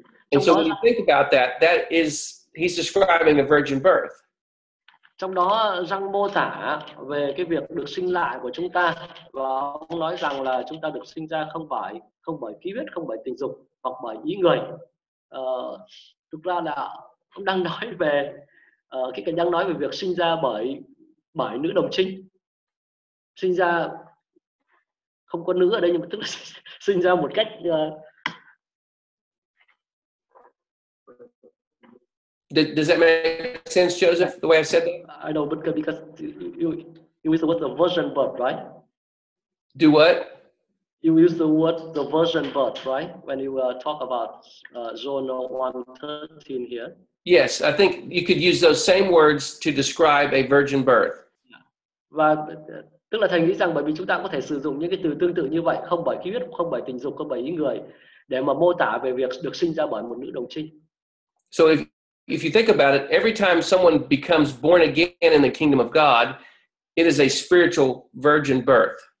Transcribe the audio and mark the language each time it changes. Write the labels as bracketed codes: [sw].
[en] And so when you think about that, that is, he's describing a virgin birth. [vi] Trong đó răng mô tả về cái việc được sinh lại của chúng ta và ông nói rằng là chúng ta được sinh ra không bởi ký huyết, không bởi tình dục hoặc bởi ý người. Thực ra là ông đang nói về việc sinh ra bởi nữ đồng trinh. Sinh ra không có nữ ở đây nhưng mà tức là sinh ra một cách [en] Does that make sense, Joseph, the way I said that? I know, but because you use the word the virgin birth, right? Do what? You use the word the virgin birth, right? When you talk about John 1:13 here. Yes, I think you could use those same words to describe a virgin birth. [vi] Và tức là thầy nghĩ rằng bởi vì chúng ta có thể sử dụng những cái từ tương tự như vậy, không bởi khí huyết, không bởi tình dục, không bởi ý người, để mà mô tả về việc được sinh ra bởi một nữ đồng trinh. [en] So if you think about it, every time someone becomes born again in the kingdom of God, it is a spiritual virgin birth.